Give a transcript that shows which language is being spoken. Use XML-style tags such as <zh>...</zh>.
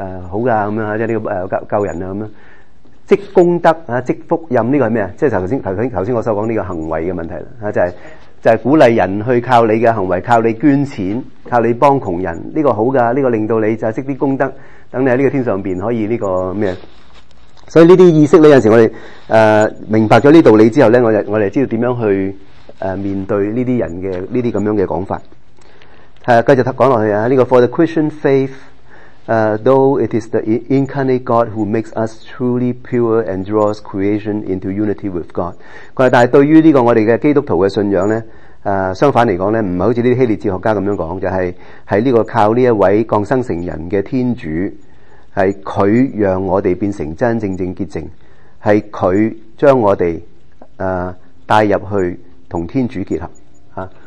<yue>好的這樣，即是這個救人啊，積功德積福音，這個是什麼，就是剛才我所說這個行為的問題，就是鼓勵人去靠你的行為，靠你捐錢，靠你幫窮人，這個好的，這個令到你就是積啲功德，等你在這個天上面可以這個咩。所以這些意識呢，有時候我們明白了這道理之後呢，我們知道怎樣去面對這些人的這些這樣的講法。繼續講下去，這個</yue> <en>For the Christian faith, though it is the incarnate God who makes us truly pure and draws creation into unity with God.</en> <yue>但是對於這個我們的基督徒的信仰呢，相反來說呢，不是好像這些希臘哲學家這樣說，就是在這個靠這一位降生成人的天主，是祂讓我們變成真正正潔淨，是祂將我們帶入去跟天主結合。</yue>